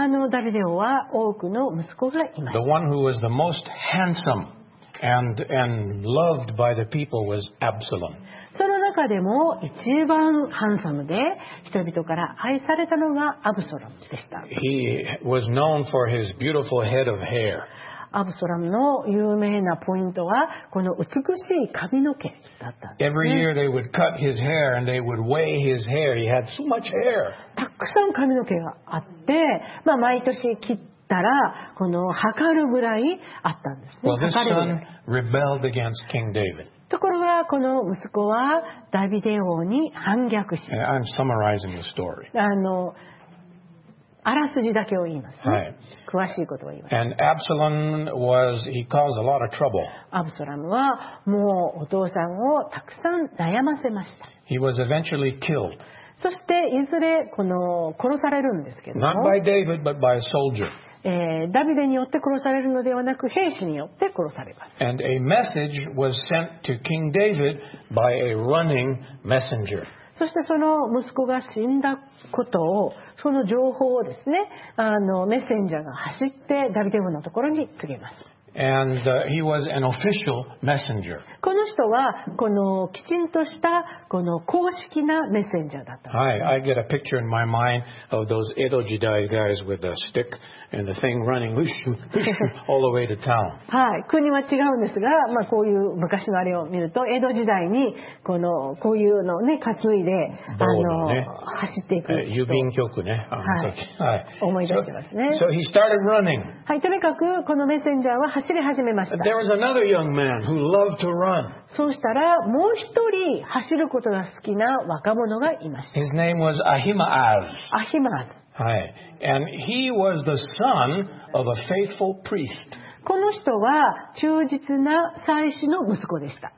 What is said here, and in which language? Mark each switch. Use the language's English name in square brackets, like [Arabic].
[Japanese] ダビデ王は多くの息子がいました。 [English] The one who was the most handsome and loved by the people was Absalom. [Japanese] その中でも一番ハンサムで人々から愛されたのがアブソラムでした。 [English] He was known for his beautiful head of hair. [Japanese] アブソラムの有名なポイントはこの美しい髪の毛だったんですね。 [English] Every year they would cut his hair and they would weigh his hair. He had so much hair. [Japanese] たくさん髪の毛があって、まあ、毎年切ったらこの測るぐらいあったんですね。 [English] Well, this son rebelled against King David. [Japanese] ところがこの息子はダビデ王に反逆し、 [English] I'm summarizing the story. [Japanese] あらすじだけを言いますね。はい、詳しいことは言います。 [English] And Absalom was, he caused a lot of trouble. [Japanese] アブソラムはもうお父さんをたくさん悩ませました。 [English] He was eventually killed. [Japanese] そしていずれこの殺されるんですけども [English] Not by David, but by a soldier. [Japanese] ダビデによって殺されるのではなく兵士によって殺されます。 [English] And a message was sent to King David by a running messenger. [Japanese] そしてその息子が死んだことをその情報をですねメッセンジャーが走ってダビデ王のところに告げます。 [English] And he was an official messenger. [Japanese] この人はこのきちんとしたこの公式なメッセンジャーだった。 [English] Hi, I get a picture in my mind of those Edo Jidai guys with a stick and the thing running all the way to town. [Japanese] はい、国は違うんですが、まあ、こういう昔のあれを見ると、江戸時代にこのこういうのね担いで走っていく人。郵便局ね。はい。思い出してますね。 [English] So he started running. [Japanese] はい、とにかくこのメッセンジャーは走り始めました。 [English] There was another young man who loved to run. [Japanese] そうしたらもう一人走ることが好きな若者がいました。 [English] His name was Ahimaaz. Ahimaaz. [Japanese] はい。 [English] And he was the son of a faithful priest. [Japanese] この人は忠実な祭司の息子でした。